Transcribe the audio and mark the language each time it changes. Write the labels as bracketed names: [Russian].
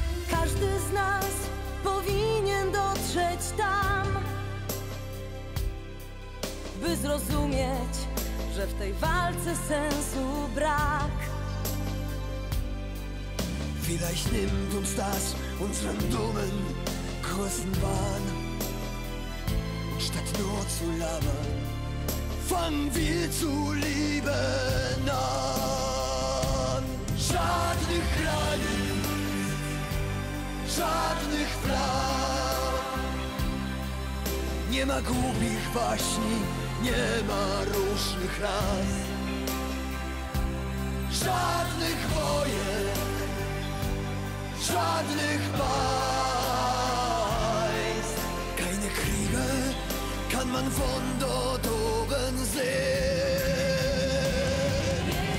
[Polish] Każdy z nas powinien dotrzeć tam, by zrozumieć, że w tej walce sensu brak. [German] Vielleicht nimmt uns das unseren dummen großen Wahn. Statt nur zu labern, fangen wir zu lieben an. [Polish] Żadnych granic, żadnych praw. Nie ma głupich baśni, nie ma różnych ras. Żadnych wojen, żadnych państw. [German] Keine Kriege kann man von dort oben sehen.